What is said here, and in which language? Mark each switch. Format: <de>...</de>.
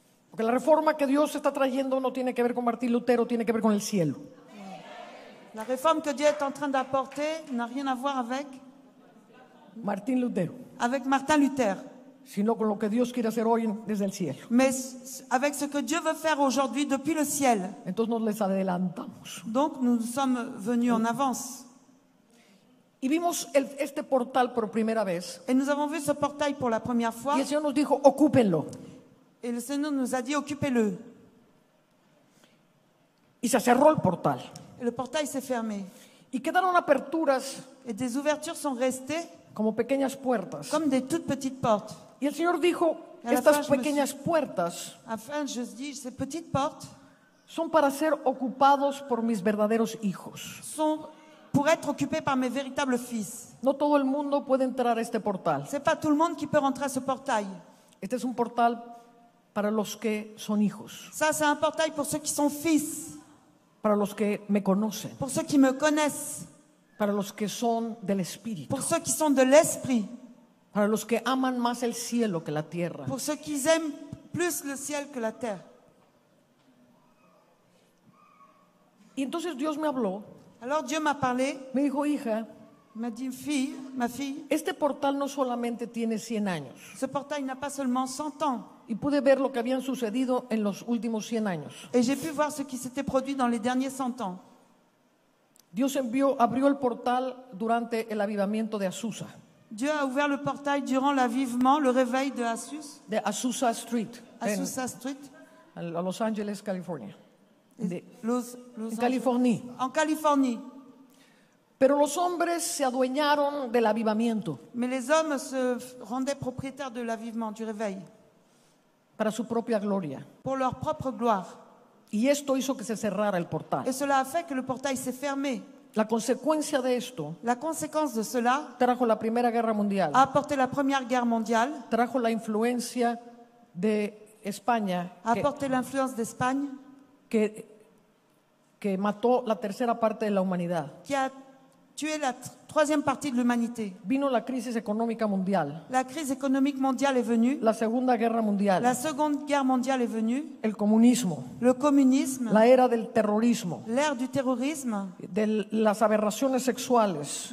<es>Porque la reforma que Dios está trayendo no tiene que ver con Martín Lutero, tiene que ver con el cielo. La reforma que Dios está</es> <fr>en train d'apporter n'a rien à voir avec</fr> <es>Martín Lutero.</es> <fr>Avec Martin Luther.</fr> <es>Sino con lo que Dios quiere hacer hoy desde el cielo.</es> <fr>Mais avec ce que Dieu veut faire aujourd'hui depuis le ciel.</fr> <es>Entonces nos les adelantamos.</es> <fr>Donc nous sommes venus en avance.</fr> <es>Y vimos este portal por primera vez.</es> <fr>Et nous avons vu ce portail pour la première fois.</fr> <es>Y el Señor nos dijo, ocúpenlo.</es> <fr>Et le Seigneur nous a dit, occupez-le.</fr> <es>Y se cerró el portal.</es> <fr>Et le portail s'est fermé.</fr> <es>Y quedaron aperturas.</es> <fr>Et des ouvertures sont restées.</fr> <es>Como pequeñas puertas.</es> <fr>Comme des toutes petites portes.</fr> <es>Y el Señor dijo, estas pequeñas puertas.</es> <fr>Afin, je dis, ces petites portes.</fr> <es>Son para ser ocupados por mis verdaderos hijos.</es> <fr>Sont pour être occupés par mes véritables fils.</fr> <es>No todo el mundo puede entrar a este portal.</es> <fr>C'est pas tout le monde qui peut rentrer à ce portail.</fr> <es>Este es un portal para los que son hijos.</es> <fr>Ça, c'est un portail pour ceux qui sont fils.</fr> <es>Para los que me conocen.</es> <fr>Pour ceux qui me connaissent.</fr> <es>Para los que son del espíritu.</es> <fr>Pour ceux qui sont de l'esprit.</fr> <es>Para los que aman más el cielo que la tierra.</es> <fr>Pour ceux qui aiment plus le ciel que la terre.</fr> <es>Y entonces Dios me habló.</es> <fr>Alors Dieu m'a parlé.</fr> <es>Me dijo, hija,</es> <fr>m'a dit, fille, ma fille,</fr> <es>este portal no solamente tiene 100 años.</es> <fr>Ce portail n'a pas seulement 100 ans.</fr> <es>Y pude ver lo que habían sucedido en los últimos 100 años.</es> <fr>Et j'ai pu voir ce qui s'était produit dans les derniers 100 ans.</fr> <es>Dios abrió el portal durante el avivamiento de Azusa.</es> <fr>Dieu a ouvert le portail durant l'avivement, le réveil de Azusa.</fr> <es>De Azusa Street.</es> <fr>Azusa Street. A Los Angeles, California.</fr> <es>En California. En California. Pero los hombres se adueñaron del avivamiento.</es> <fr>Mais les hommes se rendaient propriétaires de l'avivement, du réveil.</fr> <es>Para su propia gloria.</es> <fr>Pour leur propre gloire.</fr> <es>Y esto hizo que se cerrara el portal.</es> <fr>Et cela a fait que le portail s'est fermé.</fr> <es>La consecuencia de esto.</es> <fr>La conséquence de cela.</fr> <es>Trajo la Primera Guerra Mundial.</es> <fr>A apporté la Première Guerre mondiale.</fr> <es>Trajo la influencia de España.</es> <fr>A apporté l'influence d'Espagne.</fr> <es>Que mató la tercera parte de la humanidad.</es> <fr>Qui a tué la troisième partie de l'humanité.</fr> <es>Vino la crisis económica mundial.</es> <fr>La crise économique mondiale est venue.</fr> <es>La Segunda Guerra Mundial.</es> <fr>La Seconde Guerre mondiale est venue.</fr> <es>El comunismo.</es> <fr>Le communisme.</fr> <es>La era del terrorismo.</es> <fr>L'ère du terrorisme.</fr> <es>De las aberraciones sexuales.</es>